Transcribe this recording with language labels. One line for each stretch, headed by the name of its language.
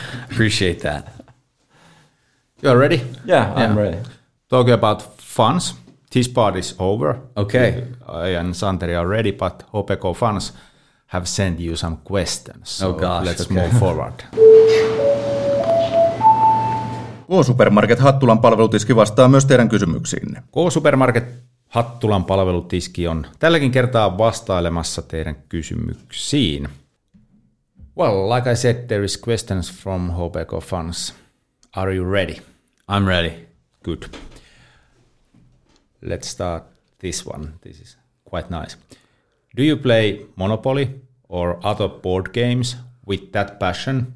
English: Appreciate that. You are ready? Yeah, I'm ready. Talking about fans, this part is over. Okay. I and Santeri are ready, but HPK fans have sent you some questions. So oh gosh. Let's move forward.
Finnish: K-Supermarket Hattulan palvelutiski vastaa myös teidän kysymyksiinne. K-Supermarket Hattulan palvelutiski on tälläkin kertaa vastailemassa teidän kysymyksiin.
English: Well, like I said, there is questions from HPK fans. Are you ready? I'm ready. Good. Let's start this one. This is quite nice. Do you play Monopoly or other board games with that passion?